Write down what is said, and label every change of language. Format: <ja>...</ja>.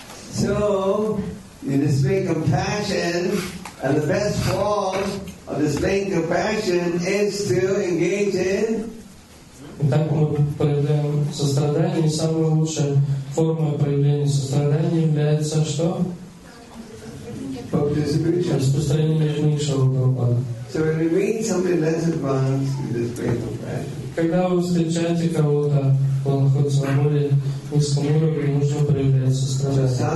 <en>So, you display compassion, and the best form of displaying compassion is to engage in.</en> <ru>Итак, мы проявляем сострадание, и самая лучшая форма проявления сострадания является что? Распространение книг Шрилы Прабхупады.</ru> <en>So when we meet somebody less advanced, we display compassion.</en> <ru>Когда вы встречаете кого-то, кто находится на более низком уровне, нужно проявлять сострадание.</ru>